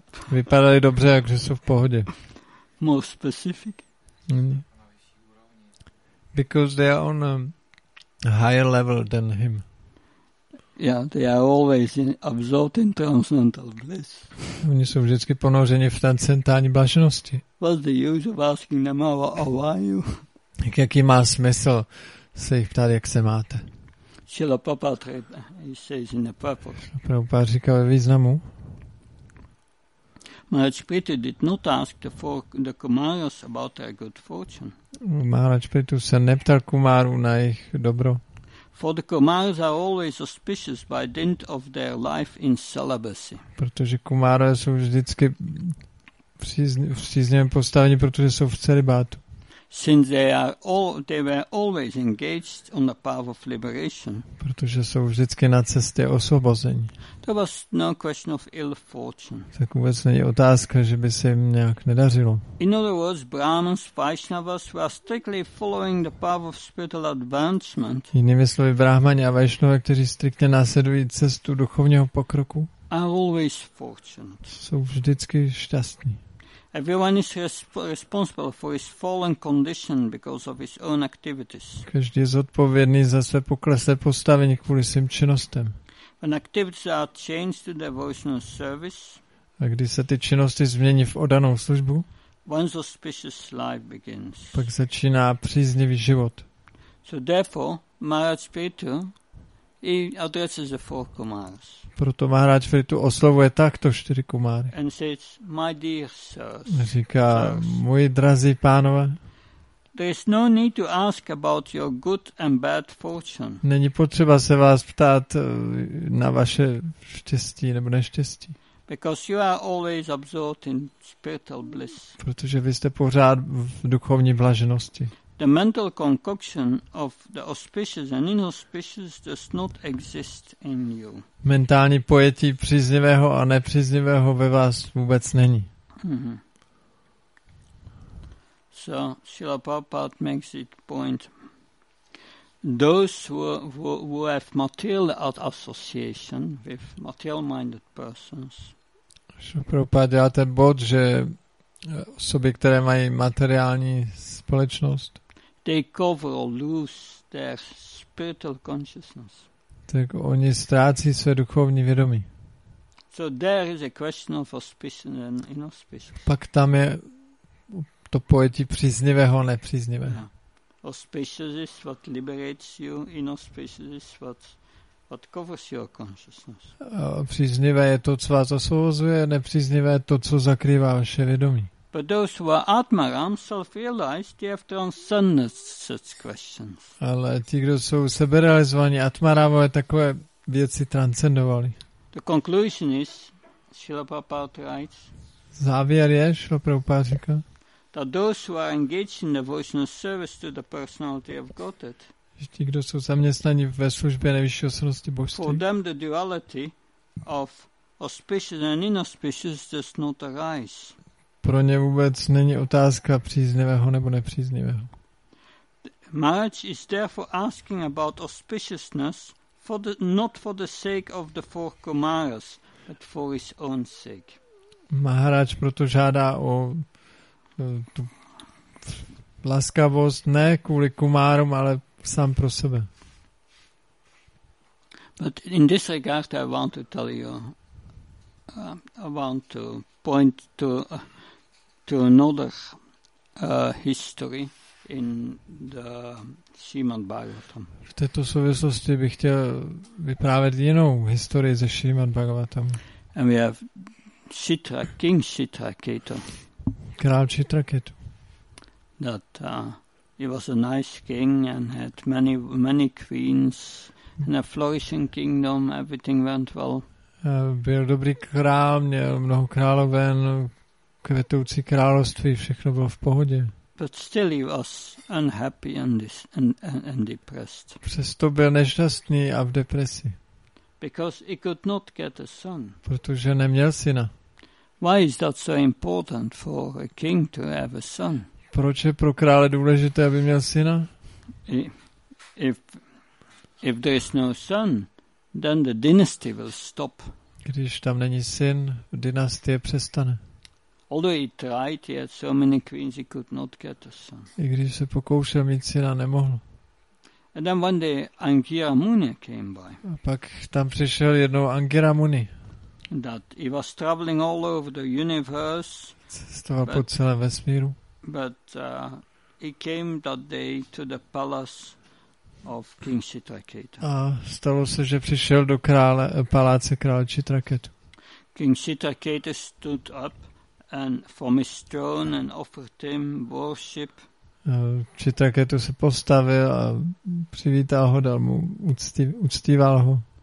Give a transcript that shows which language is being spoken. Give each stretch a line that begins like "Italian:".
Czech: Vypadali dobře, jakže jsou v pohodě.
English: More specific? Because they are on a higher level than him. Yeah, they are always absorbed in transcendental bliss.
Czech: Oni jsou vždycky ponořeni v transcendentální blaženosti.
English: What's the use of asking them how are you?
Czech: Jaký má smysl se jich ptát, jak se máte?
English: Srila Prabhupada, he says in the purport.
Czech: Prabhupada říká ve významu.
English: Maharaj Prithu did not ask the Kumaras about their good fortune.
Czech: Maharaj Prithu se neptal Kumaru na jejich dobro.
English: For the Kumaras are always suspicious by dint of their life in celibacy.
Czech: Protože Kumara jsou vždycky v příznivém postavení, protože jsou v celibátu.
English: Since they were always engaged on the path of liberation.
Czech: Protože jsou vždycky na cestě osvobození.
English: There was no question of ill fortune.
Czech: Tak vůbec není otázka, že by se jim nějak nedařilo.
English: In other words, Brahmins, Vaishnavas were strictly following the path of spiritual advancement.
Czech: Jinými slovy, Brahmani a Vaishnavé, kteří striktně následují cestu duchovního pokroku,
English: are always fortunate.
Czech: Jsou vždycky šťastní.
English: Everyone is responsible for his fallen condition because of his own activities.
Czech: Každý je zodpovědný za své pokleslé postavení kvůli svým činnostem.
English: When activities are changed to devotional service,
Czech: a když se ty činnosti změní v oddanou službu,
English: one's auspicious life begins.
Czech: Pak začíná příznivý život.
English: So therefore, Maharaj Prithu, he addresses the four kumaras.
Czech: Proto Maharaj Prithu oslovuje takto čtyři kumáry.
English: And says, my dear sirs,
Czech: říká, moji drazí pánové,
English: there is no need to ask about your good and bad fortune.
Czech: Není potřeba se vás ptát na vaše štěstí nebo neštěstí.
English: Because you are always absorbed in spiritual bliss.
Czech: Protože vy jste pořád v duchovní blaženosti.
English: The mental concoction of the auspicious and inauspicious does not exist in you.
Czech: Mentální pojetí příznivého a nepříznivého ve vás vůbec není. Mm-hmm.
English: So Srila Prabhupada makes it point. Those who have material association with material-minded persons.
Czech: Srila Prabhupada dělá ten bod, že osoby, které mají materiální společnost,
English: they cover or lose their spiritual consciousness.
Czech: Tak oni ztrácí své duchovní vědomí.
English: So there is a question of auspicious and inauspicious.
Czech: Pak tam je to pojetí příznivého a nepříznivého.
English: Auspicious is what liberates you, inauspicious is what covers your consciousness.
Czech: Příznivé je to, co vás osvobozuje, nepříznivé je to, co zakrývá vaše vědomí.
English: But those who are Atmaram self-realized, they have transcended such questions.
Czech: Ale ti, kdo jsou seberealizovaní Atmaramové, takové věci transcendovali.
English: The conclusion is, Srila Prabhupada writes,
Czech: závěr je, Srila Prabhupada říká,
English: that those who are engaged in devotional service to the personality of Godhead,
Czech: že ti, kdo jsou zaměstnaní ve službě nejvyšší osobnosti božství,
English: for them the duality of auspicious and inauspicious does not arise.
Czech: Pro ně vůbec není otázka příznivého nebo nepříznivého.
English: Maharaj is therefore asking about auspiciousness for the, not for the sake of the four kumaras, but for his own sake.
Czech: Maharaj proto žádá o tu laskavost ne kvůli kumárům, ale sám pro sebe.
English: But in this regard I want to tell you, I want to point to another history in the Srimad Bhagavatam.
Czech: V této souvislosti bych chtěl vyprávět jinou historii ze Srimad Bhagavatam.
English: And we have Chitra, King Chitra Ketu.
Czech: Král Chitra Ketu.
English: That he was a nice king and had many queens and a flourishing kingdom. Everything went well.
Czech: Byl dobrý král, měl mnoho královen, kvetoucí království, všechno bylo v pohodě.
English: But still he was unhappy and depressed.
Czech: Přesto byl nešťastný a v depresi.
English: Because he could not get a son.
Czech: Protože neměl syna.
English: Why is that so important for a king to have a son?
Czech: Proč je pro krále důležité, aby měl syna?
English: If there is no son, then the dynasty will stop.
Czech: Když tam není syn, dynastie přestane.
English: Although he tried, he had so many queens, he could not get a son.
Czech: I když se pokoušel mít syna, nemohl.
English: And then one day Angira Muni came by.
Czech: A pak tam přišel jednou Angira Muni.
English: That he was traveling all over the universe.
Czech: Cestoval po celém vesmíru.
English: But he came that day to the palace of King Chitra Ketu.
Czech: A stalo se, že přišel do krále, paláce krále Chitra Ketu.
English: King Chitra Ketu stood up and from his throne and offered him worship.
Czech: či také tu se postavil a přivítal ho, dal mu, uctíval ho.